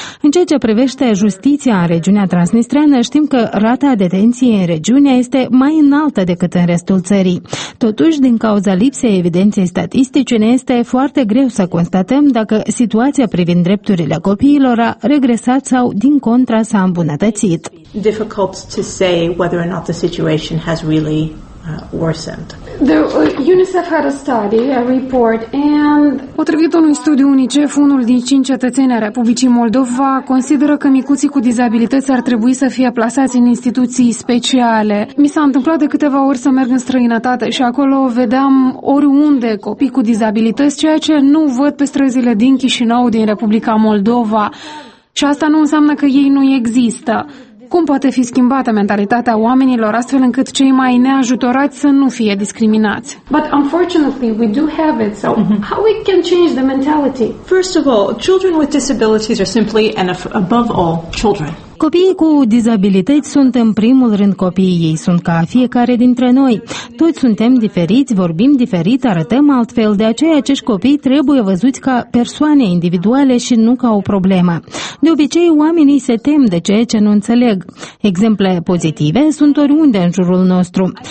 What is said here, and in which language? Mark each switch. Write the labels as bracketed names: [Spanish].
[Romanian] În ceea ce privește justiția în regiunea transnistreană, știm că rata detenției în regiune este mai înaltă decât în restul țării. Totuși, din cauza lipsei evidenței statistice, ne este foarte greu să constatăm dacă situația privind drepturile copiilor a regresat sau, din contra, s-a îmbunătățit. [English] Difficult to say whether or not the situation has really worsened. UNICEF had a study, a report, and [Romanian] potrivit unui studiu UNICEF, unul din 5 cetățeni ai Republicii Moldova consideră că micuții cu dizabilități ar trebui să fie plasați în instituții speciale. Mi s-a întâmplat de câteva ori să merg în străinătate și acolo vedeam oriunde copii cu dizabilități, ceea ce nu văd pe străzile din Chișinău, din Republica Moldova. Și asta nu înseamnă că ei nu există. Cum poate fi schimbată mentalitatea oamenilor astfel încât cei mai neajutorați să nu fie discriminați? [English] But unfortunately, we do have it. So how we can change the mentality? First of all, children with disabilities are simply and above all children. [Romanian] Copiii cu dizabilități sunt în primul rând copiii, ei sunt ca fiecare dintre noi. Toți suntem diferiți, vorbim diferit, arătăm altfel, de aceea acești copii trebuie văzuți ca persoane individuale și nu ca o problemă. De obicei, oamenii se tem de ceea ce nu înțeleg. Exemple pozitive sunt oriunde în jurul nostru.